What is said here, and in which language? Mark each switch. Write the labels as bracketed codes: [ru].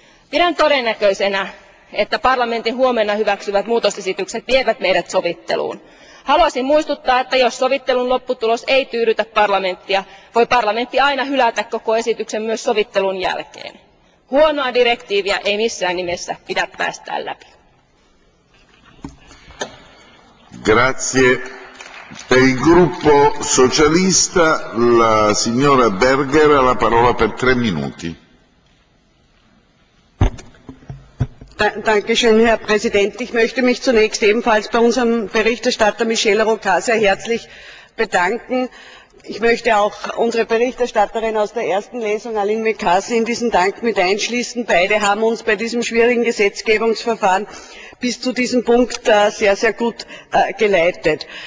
[fi] Pidän todennäköisenä, että parlamentin huomenna hyväksyvät muutosesitykset vievät meidät sovitteluun. Haluaisin muistuttaa, että jos sovittelun lopputulos ei tyydytä parlamenttia, voi parlamentti aina hylätä koko esityksen myös sovittelun jälkeen. Huonoa direktiiviä ei missään nimessä pidä päästää läpi. [it] Grazie. E il gruppo socialista, la signora Berger ha la parola per tre minuti. [de] Dankeschön, Herr Präsident. Ich möchte mich zunächst ebenfalls bei unserem Berichterstatter Michel Rocard sehr herzlich bedanken. Ich möchte auch unsere Berichterstatterin aus der ersten Lesung, Aline Mekasi, in diesen Dank mit einschließen. Beide haben uns bei diesem schwierigen Gesetzgebungsverfahren bis zu diesem Punkt sehr, sehr gut geleitet.